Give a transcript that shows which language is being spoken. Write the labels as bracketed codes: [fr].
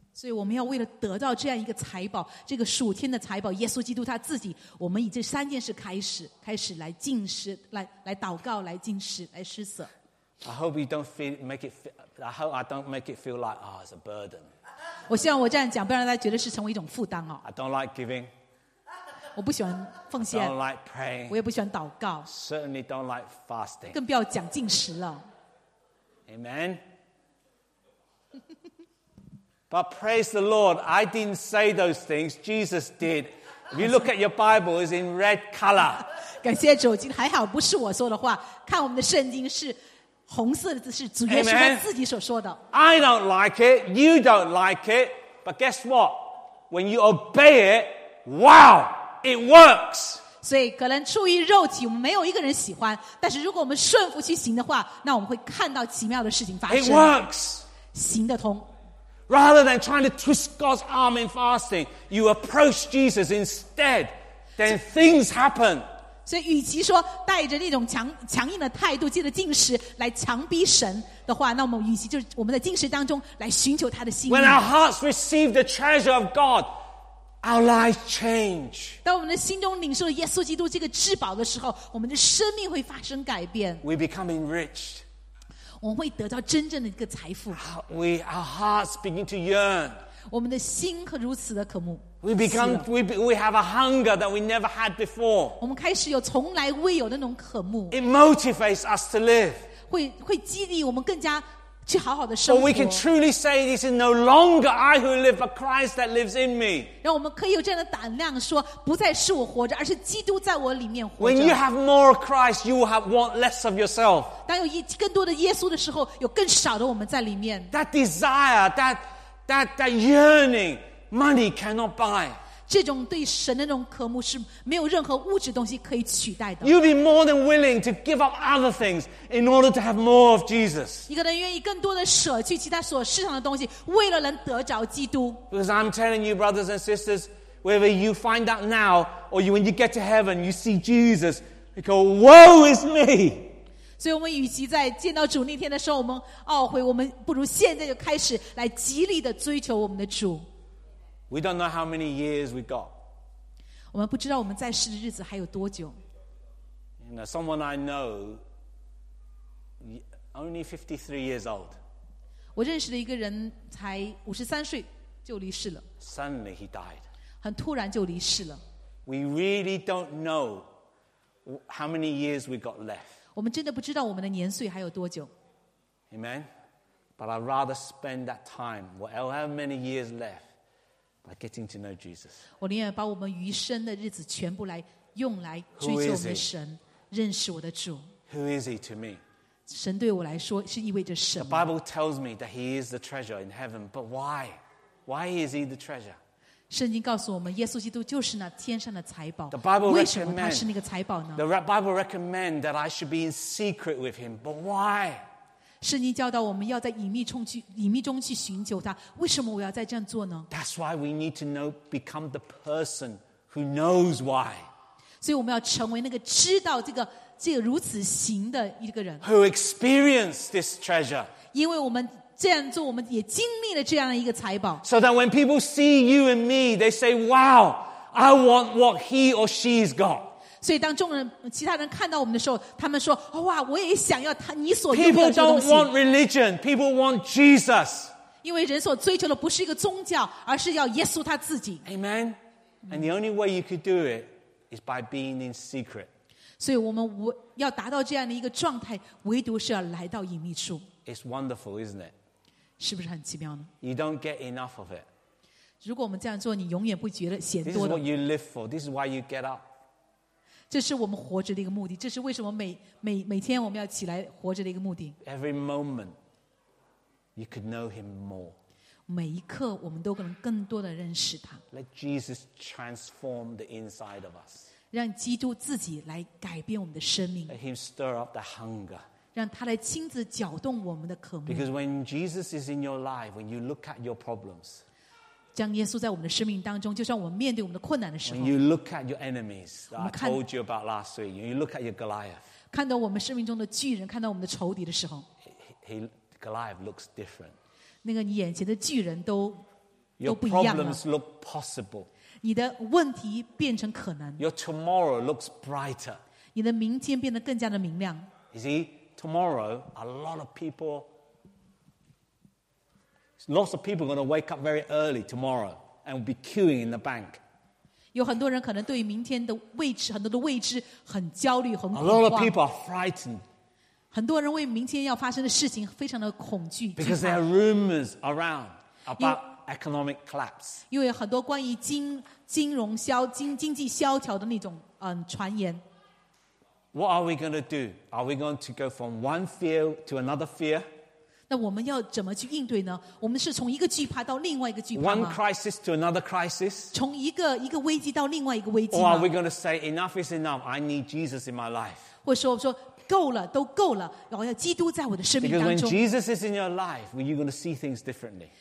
[zh] 所以我们要为了得到这样一个财宝，这个属天的财宝，耶稣基督他自己，我们以这三件事开始来禁食，来祷告，来禁食，来施舍。 [en] I hope you don't feel make it. Feel, I hope I don't make it feel like it's a burden. [zh] 我希望我这样讲，不让大家觉得是成为一种负担哦。 [en] I don't like giving. [zh] 我不喜欢奉献。 [en] I don't like praying. [zh] 我也不喜欢祷告。 [en] Certainly don't like fasting. [zh] 更不要讲禁食了。 [en] Amen. But praise the Lord, I didn't say those things, Jesus did. If you look at your Bible, it's in red color. [zh] 感谢主，还好不是我说的话，看我们的圣经是红色的字，是主耶稣他自己所说的。 [en] I don't like it, you don't like it, but guess what? When you obey it, wow, it works. [zh] 所以可能出于肉体，我们没有一个人喜欢，但是如果我们顺服去行的话，那我们会看到奇妙的事情发生。 [en] It works. [zh] 行得通。 [en] Rather than trying to twist God's arm in fasting, you approach Jesus instead. Then things happen. [zh] 所以与其说带着那种强硬的态度借着禁食来强逼神的话，那我们与其就是我们在禁食当中来寻求他的心意。 [en] When our hearts receive the treasure of God, our lives change. [zh] 当我们的心中领受了耶稣基督这个至宝的时候，我们的生命会发生改变。 [en] We become enriched. [zh] 我们会得到真正的一个财富。 [en] Our hearts begin to yearn. [zh] 我们的心可如此的渴慕。 [en] We have a hunger that we never had before. [zh] 我们开始有从来未有的那种渴慕。 [en] It motivates us to live. [zh] 会激励我们更加去好好的生活。 [en] Or we can truly say, "It is no longer I who live, but Christ that lives in me." [zh] 让我们可以有这样的胆量说，不再是我活着，而是基督在我里面活着。 [en] When you have more of Christ, you will want less of yourself. [zh] 当有更多的耶稣的时候，有更少的我们在里面。 [en] That desire, that yearning, money cannot buy. [zh] 这种对神的那种渴慕是没有任何物质东西可以取代的。 [en] You'll be more than willing to give up other things in order to have more of Jesus. [zh] 你可能愿意更多的舍去其他所世上的东西，为了能得着基督。 [en] Because I'm telling you, brothers and sisters, whether you find out now or when you get to heaven, you see Jesus, you go, "Woe is me!" [zh] 所以我们与其在见到主那天的时候我们懊悔，我们不如现在就开始来极力的追求我们的主。 [en] We don't know how many years we got. [zh] 我们不知道我们在世的日子还有多久。 [en] You know, someone I know, only 53 years old. [zh] 我认识的一个人才53岁就离世了。 [en] Suddenly he died. [zh] 很突然就离世了。 [en] We really don't know how many years we got left. [zh] 我们真的不知道我们的年岁还有多久。 [en] Amen. But I'd rather spend that time, however many years left,By getting to know Jesus. [zh] 我宁愿把我们余生的日子全部来用来追求我们的神，认识我的主。 [en] Who is he to me? [zh] 神对我来说是意味着什么？ [en] The Bible tells me that he is the treasure in heaven, but why? Why is he the treasure? [zh] 圣经告诉我们，耶稣基督就是那天上的财宝。 [en] The Bible [zh] 为什么他是那个财宝呢 [en] ？The Bible recommend that I should be in secret with him, but why? [zh] 圣经教导我们要在隐秘中去寻求他。为什么我要再这样做呢 [en] ？That's why we need to know, become the person who knows why. [zh] 所以我们要成为那个知道这个如此行的一个人。 [en] Who experienced this treasure? [zh] 因为我们。这样做我们也经历了这样一个财宝 [en] So that when people see you and me They say wow I want what he or she's got [zh] 所以当众人其他人看到我们的时候他们说、oh, 哇我也想要他你所拥有的东西 [en] People don't want religion People want Jesus [zh] 因为人所追求的不是一个宗教而是要耶稣他自己 [en] Amen And the only way you could do it is by being in secret [zh] 所以我们要达到这样的一个状态唯独是要来到隐秘处 [en] It's wonderful, isn't it? [zh] 是不是很奇妙呢 [en] You don't get enough of it. [zh] 如果我们这样做，你永远不觉得嫌多的。 [en] This is what you live for. This is why you get up. [zh] 这是我们活着的一个目的。这是为什么每天我们要起来活着的一个目的。 [en] Every moment, you could know him more. [zh] 每一刻，我们都可能更多的认识他。 [en] Let Jesus transform the inside of us. [zh] 让基督自己来改变我们的生命。 [en] Let him stir up the hunger. [zh] 让他来亲自搅动我们的渴慕。 [en] Because when Jesus is in your life, when you look at your problems, [zh] 将耶稣在我们的生命当中，就像我们面对我们的困难的时候。 [en] When you look at your enemies, that I told you about last week, when you look at your Goliath, [zh] 看到我们生命中的巨人，看到我们的仇敌的时候 [en] Goliath looks different. [zh] 那个你眼前的巨人都不一样了。 [en] Your problems look possible. [zh] 你的问题变成可能。 [en] Your tomorrow looks brighter. [zh] 你的明天变得更加的明亮。 [en] You see? Tomorrow, lots of people are going to wake up very early tomorrow and be queuing in the bank. [zh] 有很多人可能对明天的未知很多的未知很焦虑很恐慌。 [en] A lot of people are frightened. [zh] 很多人为明天要发生的事情非常的恐惧。 [en] Because there are rumors around about economic collapse. [zh] 因为很多关于经济萧条的那种传言。 [en] What are we going to do? Are we going to go from one fear to another fear? [zh] 那我们要怎么去应对呢？我们是从一个惧怕到另外一个惧怕吗 [en] ？One crisis to another crisis. [zh] 从一个危机到另外一个危机吗 [en] ？Or are we going to say enough is enough? I need Jesus in my life. [zh] 或者说我说够了，都够了，然后要基督在我的生命当中。 [en] Because when Jesus is in your life, when you're going to see things differently.